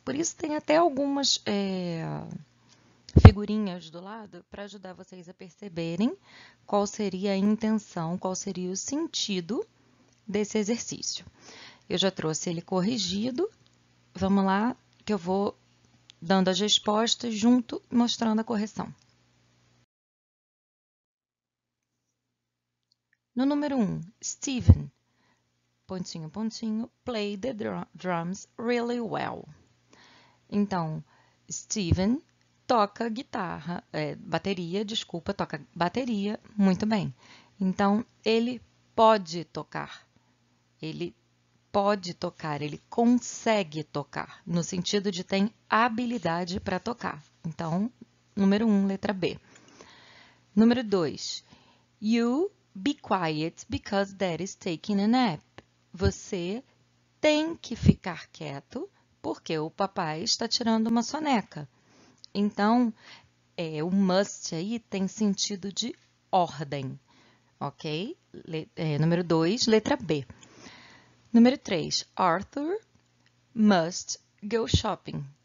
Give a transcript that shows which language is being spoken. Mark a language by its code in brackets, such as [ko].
[pt] Por isso tem até algumas figurinhas do lado para ajudar vocês a perceberem qual seria a intenção, qual seria o sentido desse exercício. Eu já trouxe ele corrigido. Vamos lá, que eu vou dando as respostas junto, mostrando a correção. No número 1, Steven, pontinho, pontinho, [en] played the drums really well. [pt] Então, Steven toca guitarra, bateria, desculpa, toca bateria muito bem. Então, ele pode tocar. Ele pode tocar, ele consegue tocar, no sentido de tem habilidade para tocar. Então, número 1, letra B. Número 2. [en] You be quiet because daddy's taking a nap. [pt] Você tem que ficar quieto porque o papai está tirando uma soneca. Então, o must aí tem sentido de ordem, ok? Número 2, letra B. Número 3, Arthur [en] must go shopping.